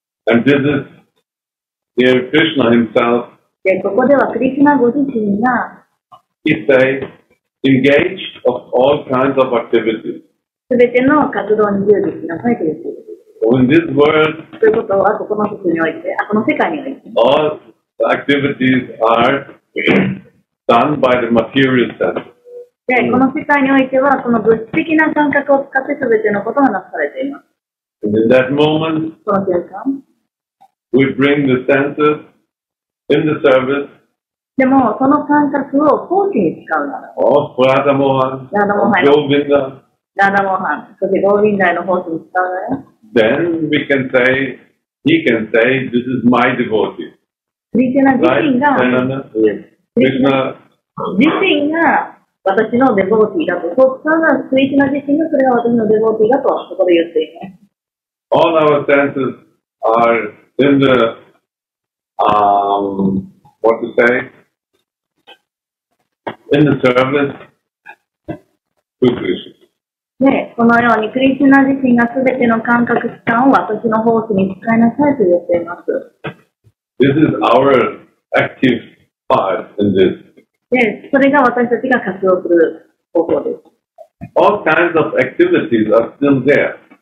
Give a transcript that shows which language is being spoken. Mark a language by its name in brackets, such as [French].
[English] And this is here Krishna himself. [Japanese] で、ここではクリスナご自身が、 [English] he says, engage of all kinds of activities. [Japanese] すべての活動に従事しなさいと言っている。 [English] In this world, [Japanese] ということはここの世において、あ、この世界において、 [English] all the activities are done by the material sense. [Japanese] で、この世界においては、この物質的な感覚を使って全てのことがなされています。 [English] And in that moment, [Japanese] その瞬間、 [English] we bring the senses in the service. [Japanese] でも、その感覚を奉仕に使うなら、 [English] oh, for Radha Mohan, Govinda, [Japanese] Radha Mohan, そして Govinda への奉仕に使うなら、 [English] Then we can say, he can say, this is my devotee. [Japanese] Krishna 自身が、 Krishna 自身が私の devotee だと、そこから Krishna 自身がそれは私の devotee だと、そこで言っています。 [English] All our senses are in the, what to say, in the service to Krishna. [Japanese] で、このようにクリシュナ自身がすべての感覚器官を私の奉仕に使いなさいと言っています。 [English] This is our active part in this. [Japanese] で、それが私たちが活動する方法です。 [English] All kinds of activities are still there.